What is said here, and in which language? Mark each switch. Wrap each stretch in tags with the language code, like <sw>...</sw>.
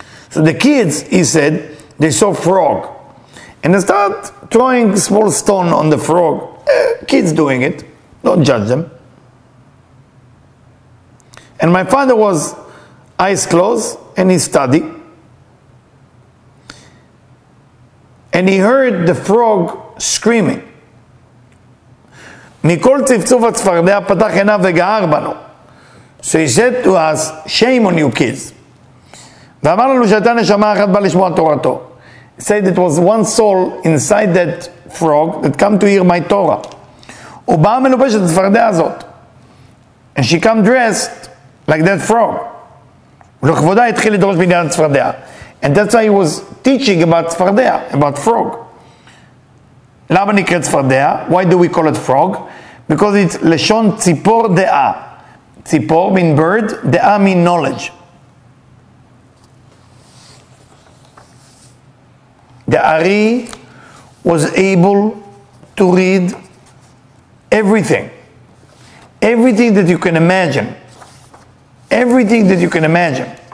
<en>So the kids, he said, they saw frog. And they start throwing small stone on the frog. Kids doing it. Don't judge them. And my father was eyes closed, and he studied. And he heard the frog screaming.</en> <he>מכל צפצוף הצפרדע פתח עיניו וגער בנו.</he> <en>So he said to us, shame on you kids.</en> <he>ואמר לנו שהייתה נשמה אחת בא לשמוע תורתו.</he> <en>He said it was one soul inside that frog that came to hear my Torah.</en> <he>הוא בא מלובש את הצפרדע הזאת.</he> <en>And she came dressed like that frog.</en> <he>ולכבודה התחיל לדרוש בעניין הצפרדע.</he> <en>And that's why he was teaching about tzfardea, about frog.</en> <he>למה נקרא tzfardea?</he> <en>Why do we call it frog? Because it's</en> <he>לשון ציפור דעה.</he> <en>ציפור mean bird, דעה mean knowledge. The Ari was able to read everything. Everything that you can imagine. Everything that you can imagine.</en>